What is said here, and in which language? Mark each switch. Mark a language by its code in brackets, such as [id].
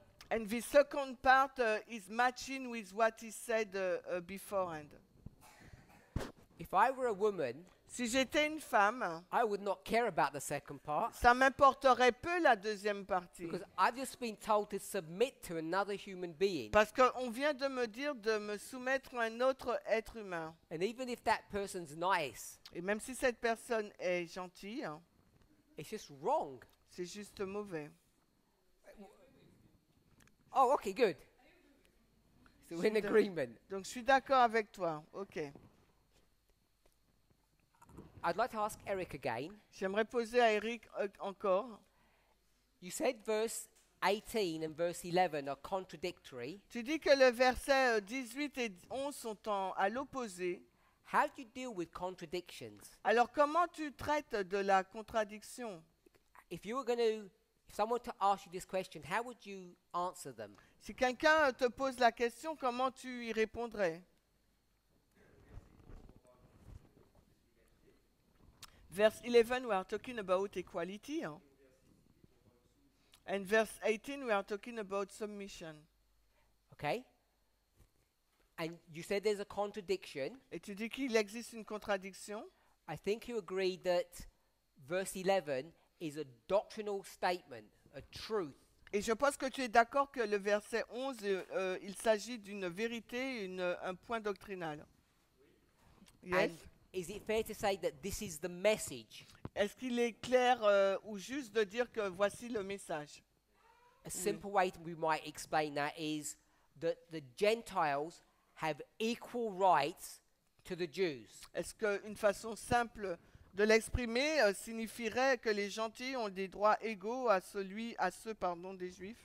[en] And the second part is matching with what he said beforehand. If I were a woman, [fr] si j'étais une femme, [en] I would not care about the second part. [fr] Ça m'importerait peu la deuxième partie. [en] Because I've just been told to submit to another human being. [fr] Parce qu'on vient de me dire de me soumettre à un autre être humain. [en] And even if that person's nice, [fr] et même si cette personne est gentille, [en] it's just wrong. [fr] C'est juste mauvais. [en] Oh, okay, good. So we're in agreement. [fr] Donc je suis d'accord avec toi. Okay. [en] I'd like to ask Eric again. [fr] J'aimerais poser à Eric encore. [en] You said verse 18 and verse 11 are contradictory. [fr] Tu dis que le verset 18 et 11 sont à l'opposé. [en] How do you deal with contradictions? [fr] Alors comment tu traites de la contradiction? [en] If someone to ask you this question, how would you answer them? [fr] Si quelqu'un te pose la question, comment tu y répondrais? [en] Verse 11, we are talking about equality. And verse 18, we are talking about submission. Okay. And you said there's a contradiction. [fr] Et tu dis qu'il existe une contradiction. [en] I think you agree that verse 11 is a doctrinal statement, a truth. [fr] Et je pense que tu es d'accord que le verset 11, il s'agit d'une vérité, un point doctrinal. Oui. [en] Yes. Is it fair to say that this is the message? [fr] Est-ce qu'il est clair ou juste de dire que voici le message? [en] A simple way we might explain that is that the Gentiles have equal rights to the Jews. [fr] Est-ce qu'une façon simple de l'exprimer signifierait que les gentils ont des droits égaux à ceux des Juifs?